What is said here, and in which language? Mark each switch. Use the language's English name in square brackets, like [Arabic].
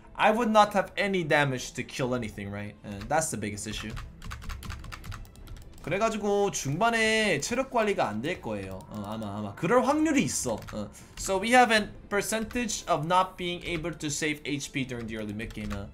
[English] I would not have any damage to kill anything, right? That's the biggest issue. [Korean] 그래가지고 중반에 체력 관리가 안 될 거예요. 아마 그럴 확률이 있어. [English] So we have a percentage of not being able to save HP during the early mid game.